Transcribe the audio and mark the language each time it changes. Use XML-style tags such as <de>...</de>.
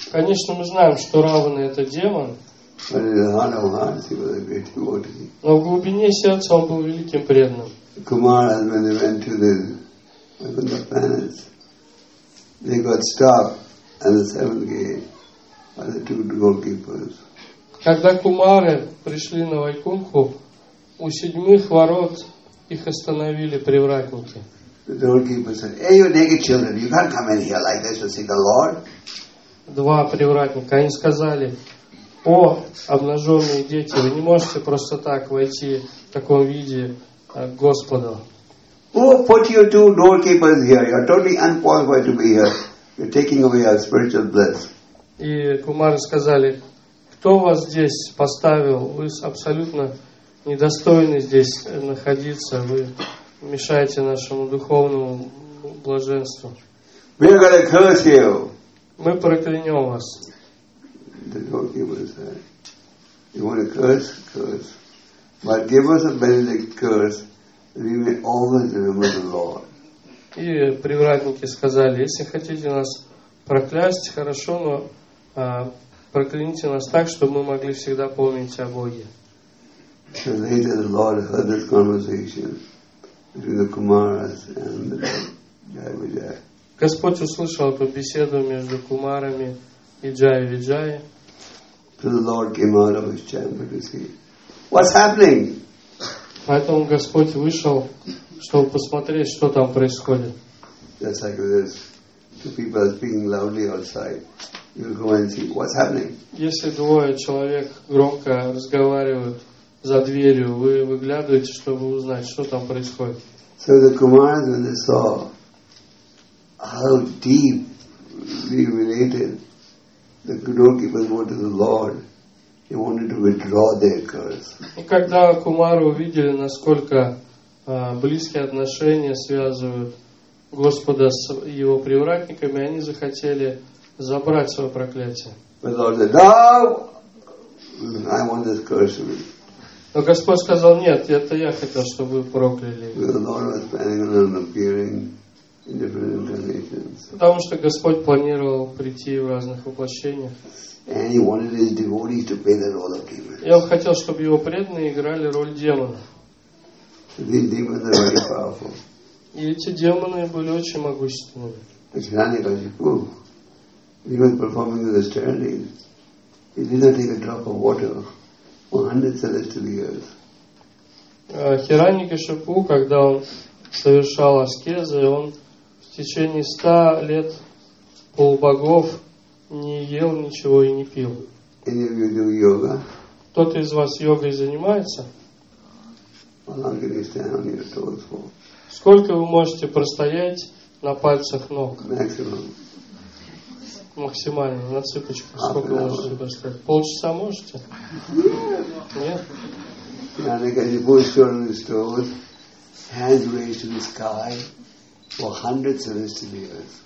<ru>Конечно, мы знаем, что Равана это демон.</ru> <en>But in the heart of hearts he was a great devotee.</en> <ru>Но в глубине сердца он был великим преданным.</ru> <en>Kumaras, when they went to the planets, they got stopped at the seventh gate by the two doorkeepers.</en> <ru>Когда кумары пришли на Вайкунху, у седьмых ворот их остановили привратники.</ru> <en>The doorkeeper said, "Hey, you naked children, you can't come in here like this to see the Lord."</en> <ru>Два привратника, они сказали, "О, обнаженные дети, вы не можете просто так войти в таком виде к Господу."</ru> <en>Who put you two doorkeepers here? You're totally unqualified to be here. You're taking away our spiritual bliss.</en> <ru>И кумары сказали, "Кто вас здесь поставил? Вы абсолютно недостойны здесь находиться, вы мешаете нашему духовному блаженству.</ru> <en>We are going to curse you.</en> <ru>Мы проклянем вас."</ru> <en>The doorkeeper said, "You want to curse? Curse. But give us a benedict curse we may always remember the Lord.</en> <ru>И привратники сказали, если хотите нас проклясть, хорошо, но прокляните нас так, чтобы мы могли всегда помнить о Боге.</ru> <en>So later the Lord heard this conversation between the Kumaras and the Jayavijaya.</en> <ru>Господь услышал эту беседу между Кумарами и Джайавиджаи.</ru> <en>So the Lord came out of his chamber to see what's happening.</en> <ru>Поэтому Господь вышел, чтобы посмотреть, что там происходит.</ru> <en>Just like this, two people speaking loudly outside. You go and see what's happening.</en> <ru>Если двое человек громко разговаривают за дверью, вы выглядываете, чтобы узнать, что там происходит.</ru> <en>So the Kumaras, when they saw how deep we related, the doorkeepers went to the Lord. They wanted to withdraw their curse.</en> <ru>И когда Кумары увидели, насколько близкие отношения связывают Господа с его привратниками, они захотели забрать свое проклятие.</ru> <en>But Lord said, no! I want this curse to be.</en> <ru>Но Господь сказал, нет, это я хотел, чтобы вы прокляли.</ru> <en>The Lord was planning on appearing in different incarnations.</en> <ru>Потому что Господь планировал прийти в разных воплощениях.</ru> <en>And he wanted his devotees to play the role of demons.</en> <ru>И он хотел, чтобы его преданные играли роль демонов.</ru> <en>These demons are very powerful.</en> <ru>И эти демоны были очень могущественными.</ru> <en>Hrishikesh Mahaprabhu, he was performing his austerities. He did not take a drop of water. 100 celestial years.</en> <ru>Хираньякашипу, когда он совершал аскезы, он в течение 100 лет полубогов не ел ничего и не пил.</ru> <en>Any of you do yoga?</en> <ru>Кто-то из вас йогой занимается?</ru> <en>How long can you stand on your toes for?</en> <ru>Сколько вы можете простоять на пальцах ног?</ru> <en>Maximum.</en> <ru>Максимально, на цыпочках. Сколько можете поставить? Полчаса можете? Нет. Нет?</ru> <en>Хираньякашипу stood on his toes, hands raised to the sky for 100 celestial years.</en>